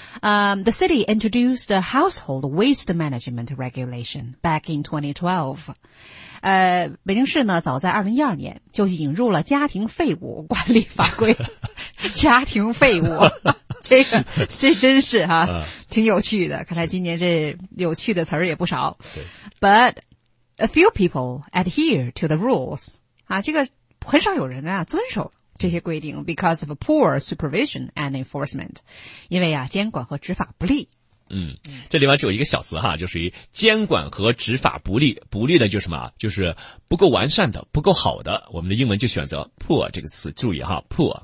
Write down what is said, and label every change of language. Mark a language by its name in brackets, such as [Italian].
[English] The city introduced the household waste management regulation back in 2012. [Chinese] 北京市呢早在2012年就引入了家庭废物管理法规。家庭废物。这真是啊挺有趣的，看来今年这有趣的词儿也不少。 [English] But a few people adhere to the rules. [Chinese] 啊，这个很少有人啊遵守。这些规定 [English] because of poor supervision and enforcement， [Chinese] 因为啊监管和执法不力。嗯，这里面只有一个小词哈，就是监管和执法不力，不力的就是什么，就是不够完善的，不够好的，我们的英文就选择 poor 这个词，注意哈 poor、